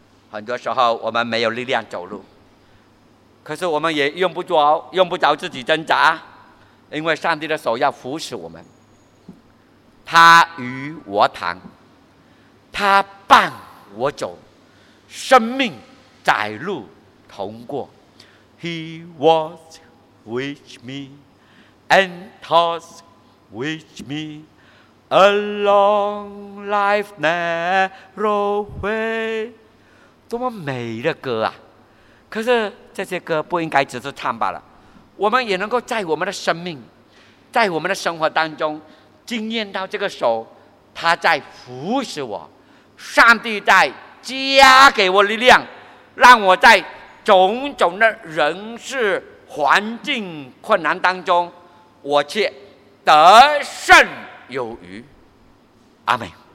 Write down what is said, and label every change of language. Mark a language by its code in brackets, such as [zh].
[zh] 很多时候我们没有力量走路，可是我们也用不着自己挣扎，因为上帝的手要扶持我们。他与我谈，他伴我走，生命窄路同过。 [en] He was with me and talks with me along life's narrow way。 [zh] 多么美的歌啊！可是这些歌不应该只是唱罢了，我们也能够在我们的生命，在我们的生活当中经验到这个手他在扶持我，上帝在加给我力量，让我在种种的人事环境困难当中，我却得胜有余。阿们。